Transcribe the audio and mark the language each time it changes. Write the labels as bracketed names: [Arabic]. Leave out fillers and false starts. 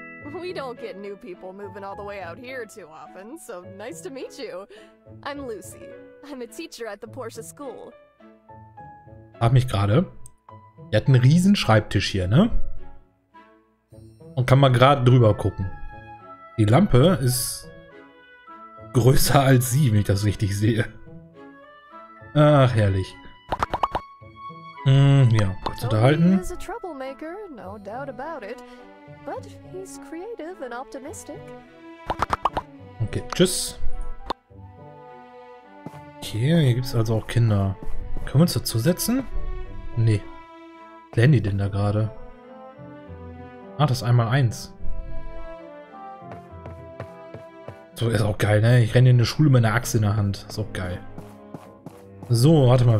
[English] We don't get new people moving all the way out here too often, so nice to meet you. I'm Lucy. I'm a teacher at the Porsche School. [German] Frag mich gerade. Er hat einen riesen Schreibtisch hier, ne? Und kann mal gerade drüber gucken. Die Lampe ist größer als sie, wenn ich das richtig sehe. Ach, herrlich. Ja, kurz unterhalten. [English] Troublemaker, no doubt about it. But he's creative and optimistic. [German] Okay, tschüss. Okay, hier gibt es also auch Kinder. Können wir uns dazu setzen? Nee. Was lernen die denn da gerade? Ach, das ist einmal eins. So, ist auch geil, ne? Ich renne in eine Schule mit einer Axt in der Hand. Ist auch geil. So, warte mal.